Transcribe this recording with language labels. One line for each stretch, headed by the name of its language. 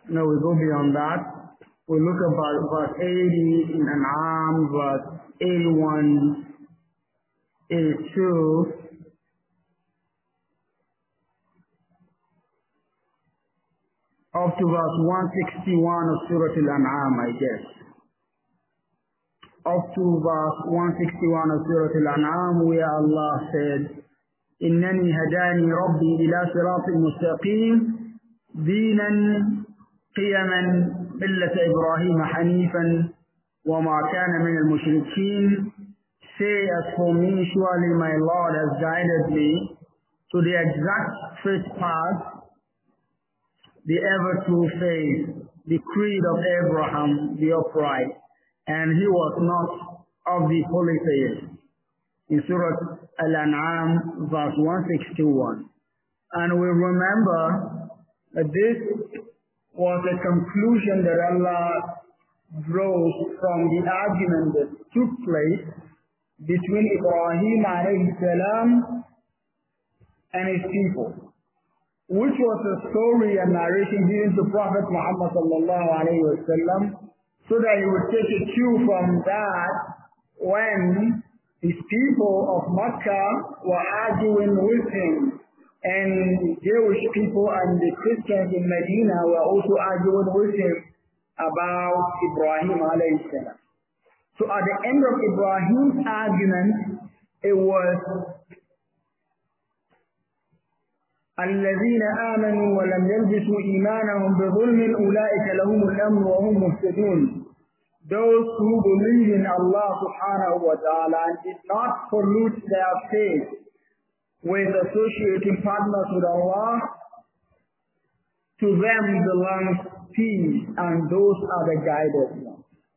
English: Now we go beyond that. We look at verse 80 in An'am, verse 81, 82, up to verse 161 of Surah Al-An'am, I guess. Up to verse 161 of Surah Al-An'am, where Allah said,
Arabic: إِنَّنِي هَدَانِي رَبِّي إِلَى صِرَاطٍ مُسْتَقِيمٍ دِينًا قِيَمًا مِلَّةَ إِبْرَاهِيمَ حَنِيفًا وَمَا كَانَ مِنَ الْمُشْرِكِينَ.
English: Say, as for me, surely my Lord has guided me to the exact straight path, the ever true faith, the creed of Abraham, the upright, and he was not of the polytheists. In Surah Al-An'am, verse 161. And we remember that this was a conclusion that Allah drew from the argument that took place between Ibrahim alayhi salam and his people, which was a story and narration given to Prophet Muhammad sallallahu alayhi wa sallam, so that he would take a cue from that when his people of Makkah were arguing with him, and Jewish people and the Christians in Medina were also arguing with him about Ibrahim alayhi salam. So at the end of Ibrahim's argument, it was
Arabic: الَّذِينَ آمَنُوا وَلَمْ يَلْبِسُوا إِيمَانَهُمْ بِظُلْمٍ أُولَٰئِكَ لَهُمُ الْأَمْنُ وَهُمْ مُهْتَدُونَ.
English: Those who believe in Allah subhanahu wa ta'ala and did not pollute their faith with associating partners with Allah, to them belongs peace, and those are the guided ones.